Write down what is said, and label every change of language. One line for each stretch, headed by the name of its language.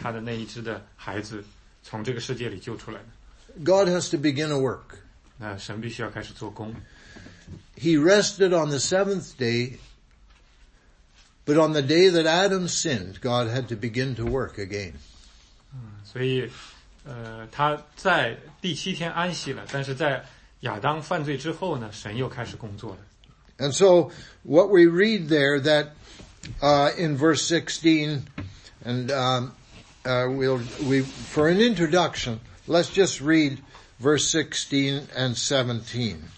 Chinese: 那神怎么来救那一只相信他的那一只的孩子从这个世界里救出来呢?
English: God has to begin a work.
Chinese: 那神必须要开始做工。
English: He rested on the seventh day, but on the day that Adam sinned, God had to begin to work again.
Chinese: 所以 他在第七天安息了，但是在亚当犯罪之后呢，神又开始工作了。And
English: so what we read there that in verse 16, and for an introduction, let's just read verse 16 and 17.